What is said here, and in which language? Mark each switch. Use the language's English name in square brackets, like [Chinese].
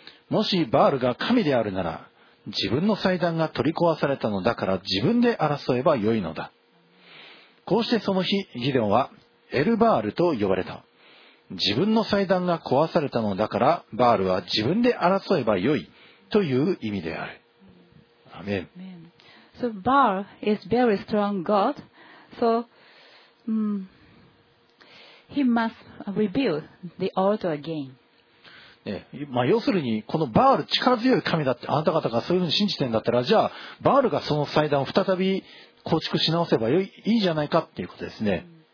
[Japanese] もしバールが神であるなら、自分の祭壇が取り壊されたのだから自分で争えばよいのだ。こうしてその日ギデオンはエルバールと呼ばれた。自分の祭壇が壊されたのだからバールは自分で争えばよいという意味である。アメン。 [English] So Baal is very strong god. So he must rebuild the altar again. [Japanese] まあ、要するにこのバール力強い神だってあなた方がそういうふうに信じてるんだったら、じゃあバールがその祭壇を再び構築し直せばいいじゃないかっていうことですね。